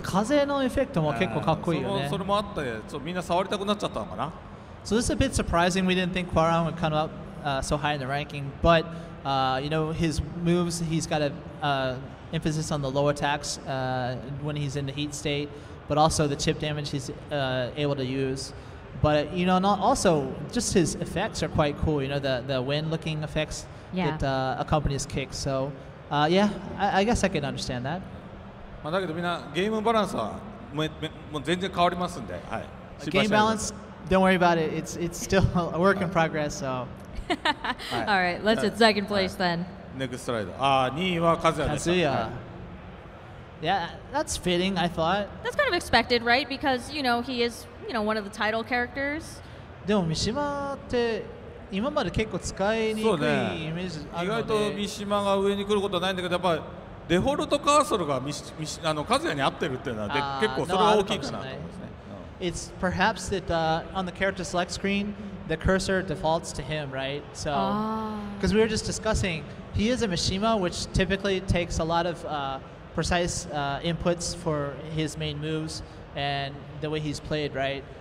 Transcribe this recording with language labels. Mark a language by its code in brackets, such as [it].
[ja] 風のエフェクトも結構かっこいいよね。それもあったで、みんな触りたくなっちゃったのかな。 [en] So this is a bit surprising. We didn't think Quaran would come up so high in the ranking, but you know, his moves, he's got an emphasis on the low attacks when he's in the heat state, but also the chip damage he's able to use. But you know, not also just his effects are quite cool. You know, the wind looking effects that accompany his kick. So yeah, I guess I can understand that. [ja] まあだけどみんなゲームバランスはもう全然変わりますんで、はい。 [en] Game balance. Don't worry about it. It's still a work in progress, so. All right, let's hit second place then. Next slide. Ah, [ja] 2位は [en] Kazuya. Kazuya. Yeah, that's fitting, I thought. That's kind of expected, right? Because, you know, he is, you know, one of the title characters. [ja] でも三島って今まで結構使いにくいイメージあるので。意外と三島が上に来ることはないんだけど、やっぱりデフォルトカーソルがKazuyaに合ってるっていうのは結構それは大きいかなと思います。 [en] It's perhaps that on the character select screen, the cursor defaults to him, right? So, because we were just discussing, he is a Mishima, which typically takes a lot of precise inputs for his main moves and the way he's played, right?